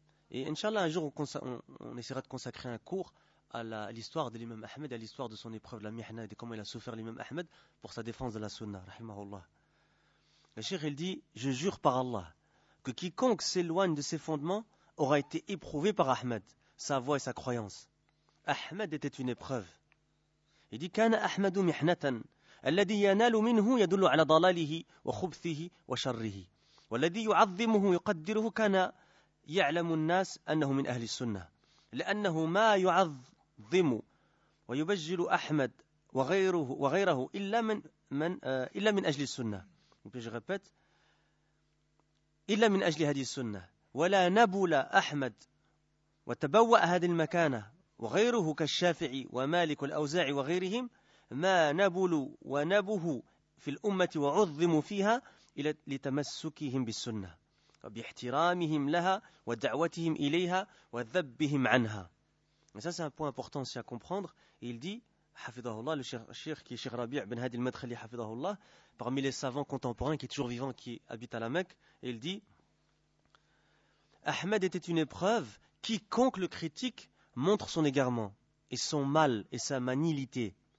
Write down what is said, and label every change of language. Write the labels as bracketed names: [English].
[French] Et Inch'Allah, un jour, on essaiera de consacrer un cours à l'histoire de l'imam Ahmed, à l'histoire de son épreuve de la mihna, et de comment il a souffert l'imam Ahmed pour sa défense de la sunna, rahimahullah. Le Cheikh, il dit, je jure par Allah que quiconque s'éloigne de ses fondements aura été éprouvé par Ahmed, sa voix et sa croyance. Ahmed était une épreuve. Il dit, [Arabic] كان أحمد محنة الذي ينال منه يدل على ضلاله وخبثه وشره والذي يعظمه يقدره كان يعلم الناس أنه من أهل السنة لأنه ما يعظم ويبجل أحمد وغيره إلا من أجل السنة. إلا من أجل هذه السنة ولا نبل أحمد وتبوأ هذه المكانة وغيره كالشافعي ومالك الأوزاعي وغيرهم ما نبل ونبه في الأمة وعظم فيها إلى لتمسكهم بالسنة وباحترامهم لها ودعوتهم إليها وذبهم عنها. [French] Et ça, c'est un point important aussi à comprendre. Il dit, Hafidahullah, le Cheikh qui est Cheikh Rabi' bin Hadi al-Madkhali, Hafidahullah, parmi les savants contemporains qui est toujours vivant, qui habite à la Mecque, il dit, Ahmed était une épreuve, quiconque le critique montre son égarement et son mal et sa manilité.